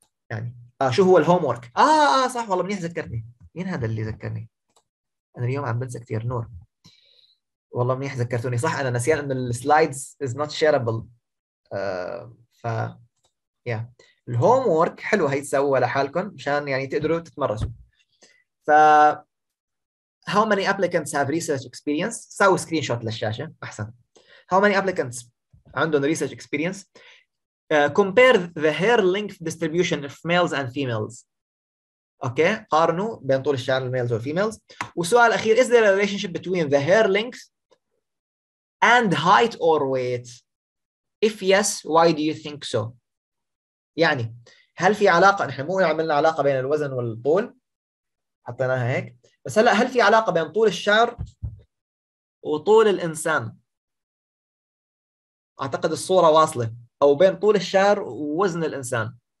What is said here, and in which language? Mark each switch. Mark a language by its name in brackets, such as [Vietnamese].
[Arabic] يعني شو هو الهوم ورك؟ صح والله منيح ذكرتني، مين هذا اللي ذكرني؟ انا اليوم عم بنسى كثير، نور والله منيح ذكرتوني صح، انا نسيان انه [English] السلايدز is not shareable. [Arabic] ف يا الهوم ورك حلو هي تسووها لحالكم مشان يعني تقدروا تتمرسوا. [English] ف how many applicants have research experience, [Arabic] سووا سكرين شوت للشاشه احسن. هاو ماني ابليكانتس عندهم ريسيرش اكسبيرينس، [English] compare the hair length distribution of males and females. [Arabic] اوكي قارنوا بين طول الشعر الميلز والفيميلز. والسؤال الاخير [English] is there a relationship between the hair length and height or weight? If yes, why do you think so? [Arabic] يعني هل في علاقه، نحن مو عملنا علاقه بين الوزن والطول حطيناها هيك، بس هلا هل في علاقه بين طول الشعر وطول الانسان؟ اعتقد الصوره واصله، او بين طول الشعر ووزن الانسان.